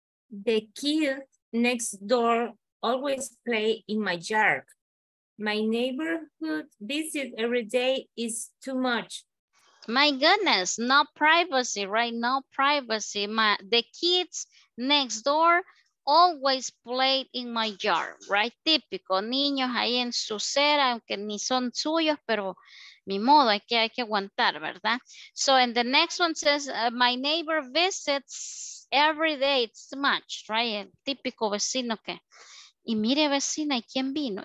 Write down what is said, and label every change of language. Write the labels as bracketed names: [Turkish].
[English] The kid next door always play in my yard. My neighborhood visit every day is too much. My goodness, no privacy, right? No privacy. The kids next door always played in my yard, right? [Spanish] Típico, niños ahí en su cera, aunque ni son suyos, pero mi modo, hay que aguantar, ¿verdad? [English] So, and the next one says, my neighbor visits every day, it's much, right? [Spanish] El típico vecino que, y mire vecina, ¿y quién vino?